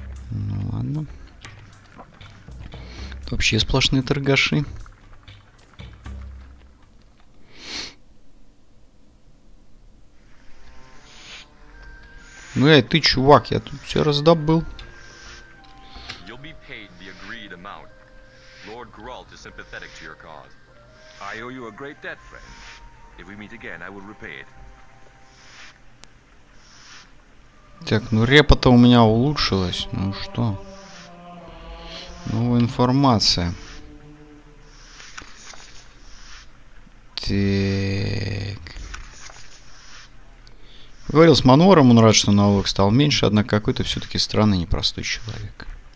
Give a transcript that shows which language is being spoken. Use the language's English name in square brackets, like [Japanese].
[Russian] Ну, ладно. Вообще сплошные торгаши. Ну эй, ты чувак, я тут все раздобыл. [English] You'll be paid the agreed amount. Lord Grault is sympathetic to your cause. I owe you a great debt, friend. If we meet again, I will repay it. [Russian] Так, ну репа-то у меня улучшилась. Ну что? Новая информация. Так. Говорил с Манвором, он рад, что налог стал меньше, однако какой-то все-таки странный, непростой человек.